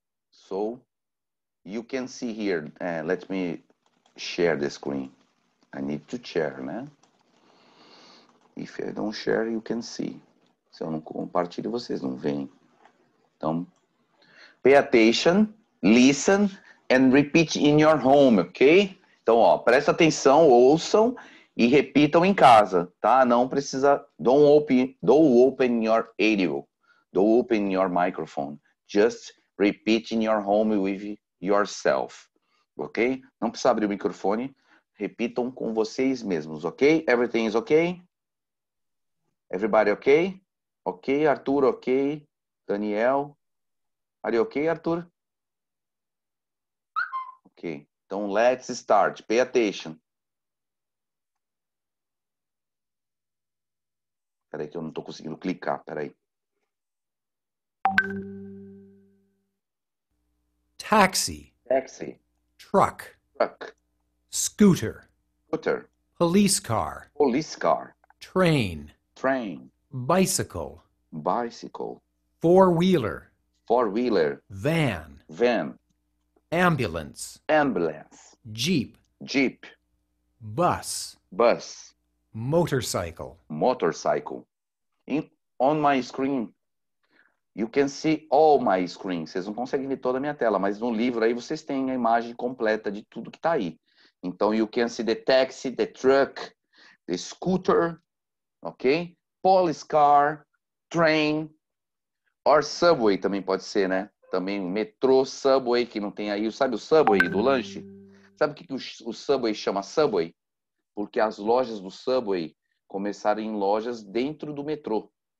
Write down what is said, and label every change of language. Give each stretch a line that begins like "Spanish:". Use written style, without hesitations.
English: So, you can see here, let me share the screen. I need to share, né? If I don't share, you can see.
Portuguese: Se eu não compartilho, vocês não veem. Então,
English: pay attention, listen, and repeat in your home, ok?
Portuguese: Então, ó, presta atenção, ouçam e repitam em casa, tá? Não precisa,
English: don't open your audio, don't open your microphone. Just repeat in your home with yourself, ok?
Portuguese: Não precisa abrir o microfone, repitam com vocês mesmos, ok?
English: Everything is ok? Everybody ok? Ok, Arthur, ok? Daniel? Are you ok, Arthur? Ok,
Portuguese: então
English: let's start, pay attention.
Portuguese: Peraí que eu não tô conseguindo clicar, peraí.
English: Taxi. Taxi. Truck. Truck. Scooter. Scooter. Police car. Police car. Train. Train. Bicycle. Bicycle. Four-wheeler. Four-wheeler. Van. Van. Ambulance. Ambulance. Jeep. Jeep. Bus. Bus. Motorcycle. Motorcycle. On my screen, you can see all my screen.
Portuguese: Vocês não conseguem ver toda a minha tela, mas no livro aí vocês têm a imagem completa de tudo que está aí. Então,
English: you can see the taxi, the truck, the scooter, ok? Police car, train, or subway
Portuguese: também pode ser, né? Também metrô, subway, que não tem aí. Sabe o subway do lanche? Sabe o que o subway chama subway? Porque as lojas do subway começaram em lojas dentro do metrô.